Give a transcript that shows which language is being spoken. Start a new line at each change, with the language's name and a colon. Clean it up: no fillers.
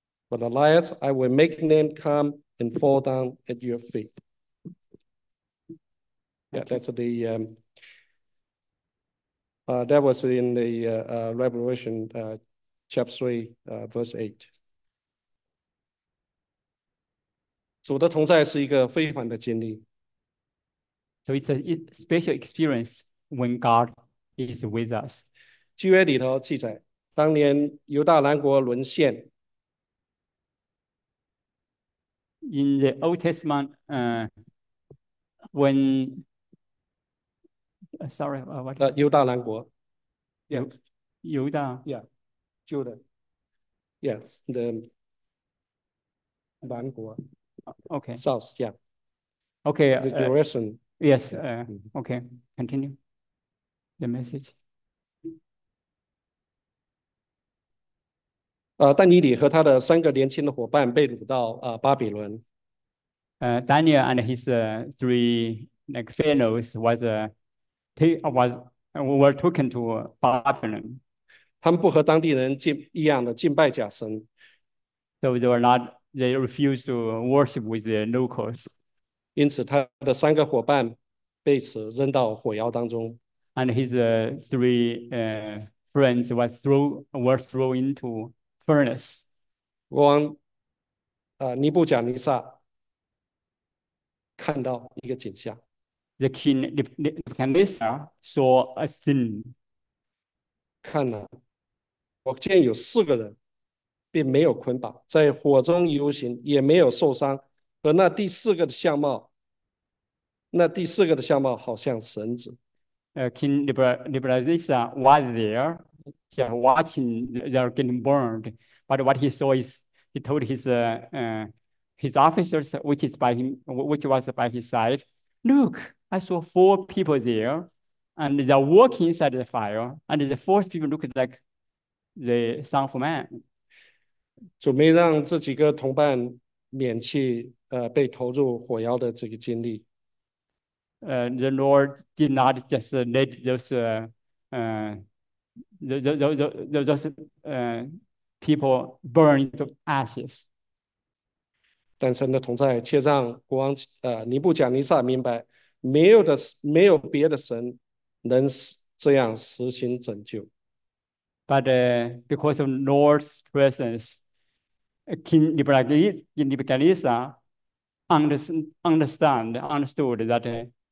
English: But Elias, I will make them come and fall down at your feet. Yeah, that's the that was in the Revelation chapter 3, verse 8.
Chinese: 主的同在是一个非凡的经历。
English: So it's a special experience when God is with us.
Chinese: 旧约里头记载，当年犹大南国沦陷，
English: In the Old Testament, when sorry, what?
Chinese: 犹大南国犹大。
English: ，yeah，
Chinese: 旧的，
English: yes，the
Chinese: 南国，
English: south，yeah，the Jerusalem。 Yes, okay, continue the message.
Chinese: 但以理和他的三个年轻的伙伴被掳到巴比伦。
English: Daniel and his three fellows was taken to Babylon.
Chinese: 他们不和当地人一样的敬拜假神。
English: So they refuse to worship with their locals.
Chinese: 因此，他的三个伙伴被此扔到火窑当中。
English: And his three friends were thrown into furnace.
Chinese: 国王尼布甲尼撒看到一个景象。
English: The king Nebuchadnezzar saw a scene.
Chinese: 看了，我见有四个人，并没有捆绑，在火中游行，也没有受伤，和那第四个的相貌，那第四个的相貌好像神子。
English: King Nebuchadnezzar was there, just watching they're getting burned. But what he saw is, he told his officers, which was by his side, "Look, I saw four people there, and they're walking inside the fire. And the fourth people looked like the Son of Man."
Chinese: 准备让这几个同伴免去被投入火窑的这个经历。
English: The Lord did not just let those people burn into ashes.
Chinese: 但神的同在却让国王尼布甲尼撒明白，没有别的神能这样实行拯救。
English: But because of Lord's presence, King Nebuchadnezzar understood that.